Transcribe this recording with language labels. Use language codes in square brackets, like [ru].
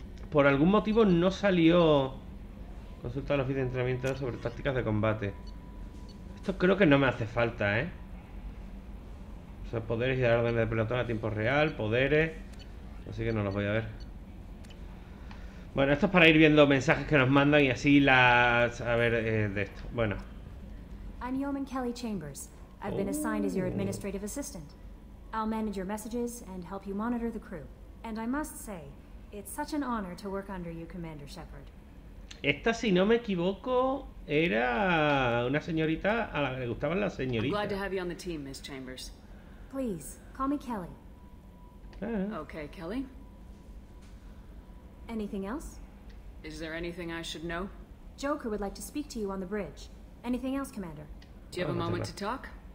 [es] Por algún motivo no salió. Consulta los vídeos de entrenamiento sobre tácticas de combate. Esto creo que no me hace falta, ¿eh? O sea, poderes y dar órdenes de pelotón a tiempo real, poderes. Así que no los voy a ver. Bueno, esto es para ir viendo mensajes que nos mandan y así las. A ver, de esto. Bueno. [en] I'm Yeoman Kelly Chambers. I've been assigned as your administrative assistant. I'll manage your messages and help you monitor the crew. And I must say, it's such an honor to work under you, Commander Shepard. [es] Esta, si no me equivoco, era una señorita a la que le gustaban las [en] I'm glad to have you on the team, Miss Chambers. Please, call me Kelly. Okay, Kelly. Anything else? Is there anything I should know? Joker would like to speak to you on the bridge. Anything else, Commander? Do you have a moment to talk?